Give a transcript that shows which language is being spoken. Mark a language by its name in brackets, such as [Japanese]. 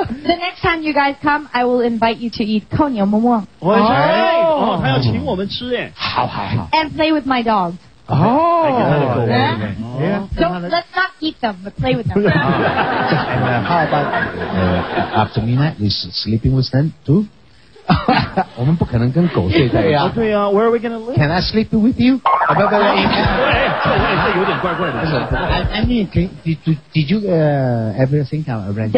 [English] The next time you guys come I will invite you to eat [Chinese] 扣牛么么哦他要请我们吃耶好好好 [English] And play with my dogs So let's not eat them but play with them How about after midnight is sleeping with them too? [Chinese] 我们不可能跟狗睡在一起对啊 [English] Where are we gonna live? Can I sleep with you? [Chinese] 不不不不这有点怪怪的。 [English] I mean, did you ever think of arranging?